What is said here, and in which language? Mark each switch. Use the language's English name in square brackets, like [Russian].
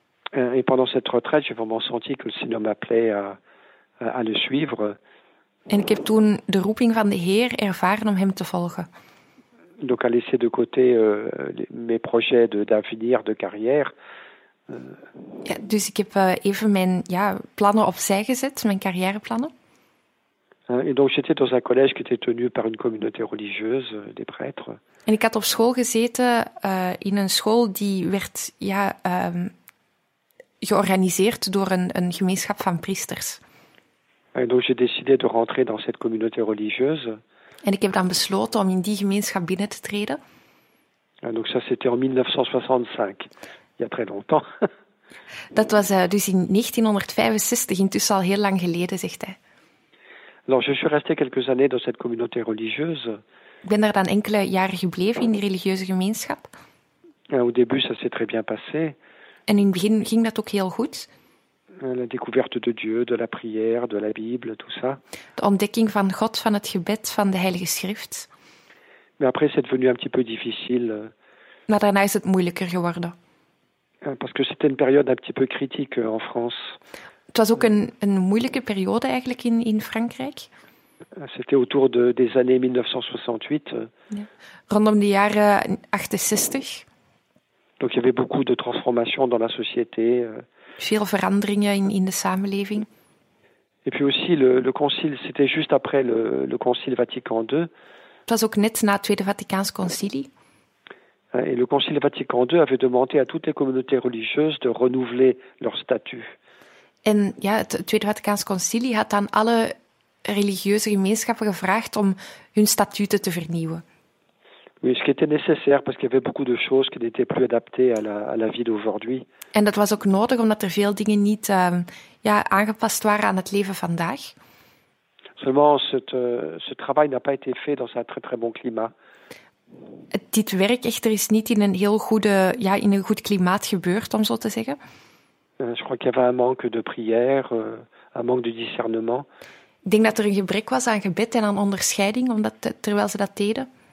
[French] Et pendant cette retraite, j'ai vraiment senti que le Seigneur m'appelait à le suivre. [Dutch] En ik heb toen de roeping van de Heer ervaren om hem te volgen. [French] Donc à laisser de côté mes projets d'avenir, de carrière. [Dutch] Ja, dus ik heb even mijn plannen opzij gezet, mijn carrièreplannen. [French] Et donc j'étais dans un collège qui était tenu par une communauté religieuse, des prêtres. [Dutch] En ik had op school gezeten in een school die werd georganiseerd door een gemeenschap van priesters. [French] Et donc j'ai décidé de rentrer dans cette communauté religieuse. [Dutch] En ik heb dan besloten om in die gemeenschap binnen te treden. [French] Et donc ça c'était en 1965. Il y a très longtemps. [Dutch] Dat was dus in 1965, intussen al heel lang geleden, zegt hij. [French] Alors, je suis resté quelques années dans cette communauté religieuse. [Dutch] Ik ben daar dan enkele jaren gebleven in die religieuze gemeenschap. [French] Et au début, ça s'est très bien passé. [Dutch] En in het begin ging dat ook heel goed. [French] La découverte de Dieu, de la prière, de la Bible, tout ça. [Dutch] De ontdekking van God, van het gebed, van de Heilige Schrift. [French] Mais après, c'est devenu un petit peu difficile. [Dutch] Maar daarna is het moeilijker geworden. [French] Parce que c'était une période un petit peu critique en France. [Dutch] Het was ook een moeilijke periode eigenlijk in Frankrijk. [French] C'était autour des années 1968. [Dutch] Ja. Rondom de jaren 68. [French] Donc il y avait beaucoup de transformations dans la société. [Dutch] Veel veranderingen in de samenleving. [French] Et puis aussi le concile, c'était juste après le concile Vatican II. [Dutch] Het was ook net na het Tweede Vaticaans Concilie. [French] Et le Concile Vatican II avait demandé à toutes les communautés religieuses de renouveler leur statut. [Dutch] En ja, het Tweede Vaticaans Concilie had aan alle religieuze gemeenschappen gevraagd om hun statuten te vernieuwen. [French] Oui, ce qui était nécessaire parce qu'il y avait beaucoup de choses qui n'étaient plus adaptées à la vie d'aujourd'hui. [Dutch] En dat was ook nodig omdat er veel dingen niet aangepast waren aan het leven vandaag. [French] Seulement, ce travail n'a pas été fait dans un très très bon climat. [Dutch] Dit werk echter is niet in een heel goede, in een goed klimaat gebeurd, om zo te zeggen. [French] Je crois qu'il y avait un manque de prière, un manque de discernement. [Dutch] Ik denk dat er een gebrek was aan gebed en aan onderscheiding, omdat terwijl ze dat deden.